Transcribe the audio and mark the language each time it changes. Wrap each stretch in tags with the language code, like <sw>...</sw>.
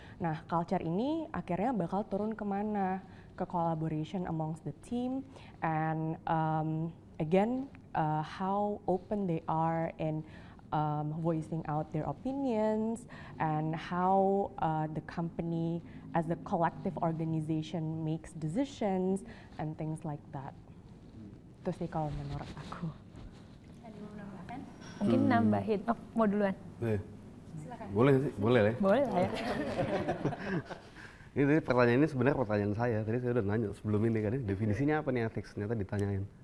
<id>Nah, culture ini akhirnya bakal turun kemana?</id> <en>Ke collaboration amongst the team, and again how open they are in voicing out their opinions, and how the company as a collective organization makes decisions and things like that.</en> <id>Itu sih kalau menurut aku. Mungkin nambahin, oh mau duluan. Boleh sih, boleh lah ya. Boleh ya. Ini tadi pertanyaannya sebenarnya pertanyaan saya. Tadi saya udah nanya sebelum ini kan, definisinya apa nih ethics? Ternyata ditanyain.</id>